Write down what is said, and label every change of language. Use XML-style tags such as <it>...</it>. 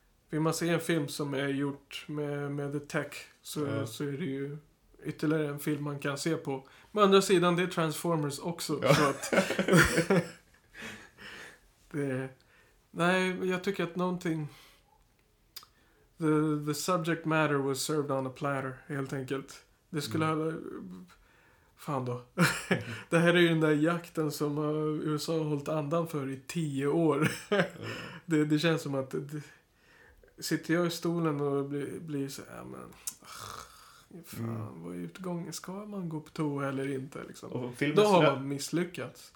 <sv>Vill man se en film som är gjort med the tech, så är det ju ytterligare en film man kan se på. Men andra sidan, det är Transformers också. Ja. Så att jag tycker att någonting...</sv> <en>The subject matter was served on a platter,</en> <sv>helt enkelt. Det skulle ha... Fan då. Det här är ju den där jakten som USA har hållit andan för i 10 år. det känns som att... sitter jag i stolen och blir så här, men... vad är utgången? Ska man gå på toa eller inte? Liksom? Då har man misslyckats.</sv>